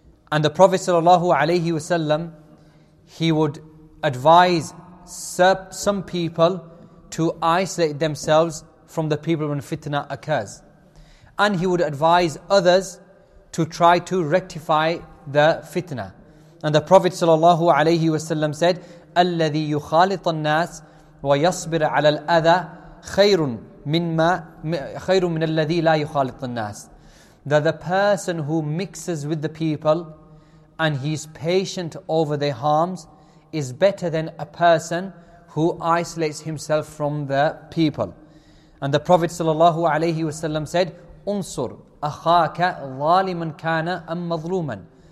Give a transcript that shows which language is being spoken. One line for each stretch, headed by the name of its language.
English: And the Prophet sallallahu alaihi wasallam, he would advise some people to isolate themselves from the people when fitna occurs, and he would advise others to try to rectify the fitna. And the Prophet sallallahu alayhi wasallam said,
Arabic: الَّذِي يُخَالِطَ النَّاسِ وَيَصْبِرَ عَلَى الْأَذَى خَيْرٌ مِنَ الَّذِي لَا يُخَالِطَ النَّاسِ.
English: That the person who mixes with the people and he is patient over their harms is better than a person who isolates himself from the people. And the Prophet sallallahu alayhi wasallam said,
Arabic: "Unsur akhaka zaliman kana am mazluman."